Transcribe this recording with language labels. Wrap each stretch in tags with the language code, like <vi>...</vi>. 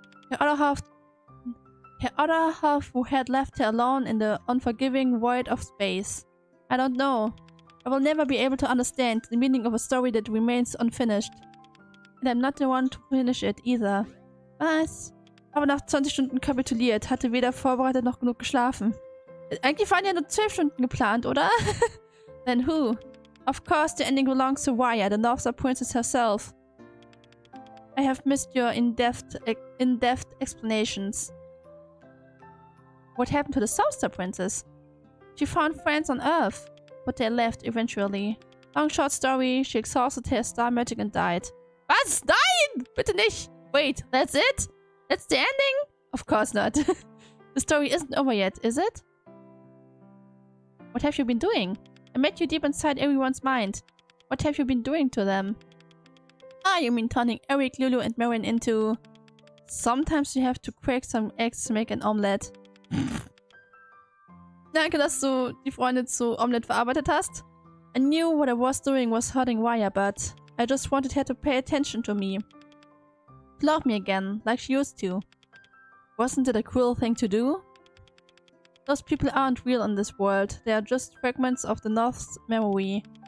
<en>Her other half who had left her alone in the unforgiving void of space. I don't know. I will never be able to understand the meaning of a story that remains unfinished. And I'm not the one to finish it either.</en> <de>Was? Aber nach 20 Stunden kapituliert, hatte weder vorbereitet noch genug geschlafen. Eigentlich waren ja nur 12 Stunden geplant, oder?</de> <en>Then who? Of course, the ending belongs to Raya, the North Star Princess herself. I have missed your in-depth explanations. What happened to the South Star Princess? She found friends on Earth, but they left eventually. Long short story, she exhausted her star magic and died.</en> <de>Was? Nein! Bitte nicht!</de> <en>Wait, that's it? That's the ending? Of course not. The story isn't over yet, is it? What have you been doing? I met you deep inside everyone's mind. What have you been doing to them? Ah, you mean turning Eric, Lulu, and Marin into... Sometimes you have to crack some eggs to make an omelette.</en> <de>Danke, dass du die Freunde zu Omelette verarbeitet hast.</de> <en>I knew what I was doing was hurting Raya, but I just wanted her to pay attention to me. To love me again, like she used to. Wasn't it a cruel thing to do? Those people aren't real in this world. They are just fragments of the North's memory.</en>